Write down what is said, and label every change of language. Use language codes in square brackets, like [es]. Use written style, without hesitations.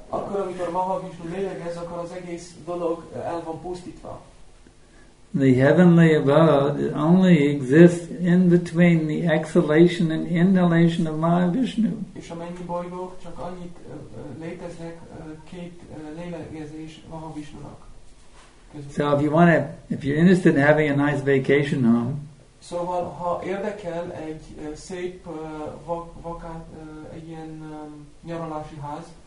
[hu] Akkor amikor Mahavishnu lélegez, akkor az egész dolog el van pusztítva. [en] The heavenly abode only exists in between the exhalation and inhalation of Mahavishnu. [hu] És a mennyi bolygók csak annyit léteznek két lélegezés Mahavishnunak. [en] So if you want to, if you're interested in having a nice vacation home. So well, [hu] ha érdekel egy szép vakát egy ilyen nyaralási ház.